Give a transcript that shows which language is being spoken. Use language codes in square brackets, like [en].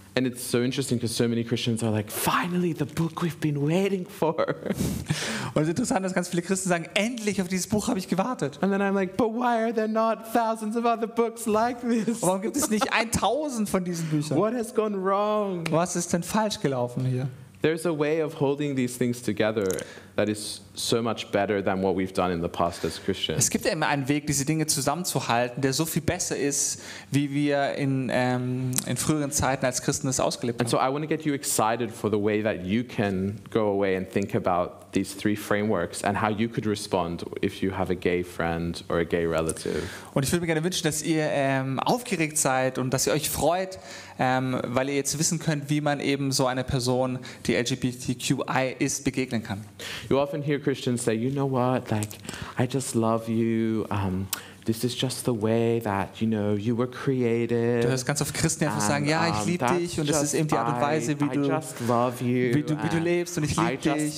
[en] And it's so interesting because so many Christians are like, finally the book we've been waiting for. [de] Und es ist interessant, dass ganz viele Christen sagen, endlich auf dieses Buch habe ich gewartet. [en] And then I'm like, but why are there not thousands of other books like this? [de] Warum gibt es nicht 1000 von diesen Büchern? [en] What has gone wrong? [de] Was ist denn falsch gelaufen hier? [en] There's a way of holding these things together that is so much better than what we've done in the past as Christians. [de] Es gibt immer einen Weg, diese Dinge zusammenzuhalten, der so viel besser ist, wie wir in früheren Zeiten als Christen das ausgelebt haben. [en] And so I want to get you excited for the way that you can go away and think about these three frameworks and how you could respond if you have a gay friend or a gay relative. [de] Und ich würde mir gerne wünschen, dass ihr aufgeregt seid und dass ihr euch freut, weil ihr jetzt wissen könnt, wie man eben so eine Person, die LGBTQI ist, begegnen kann. [en] You often hear Christians say, you know what, like, I just love you, this is just the way that, you know, you were created. [de] Du hörst ganz oft Christen einfach sagen, ja, ich liebe dich und das ist eben die Art und Weise, wie du lebst und ich liebe dich.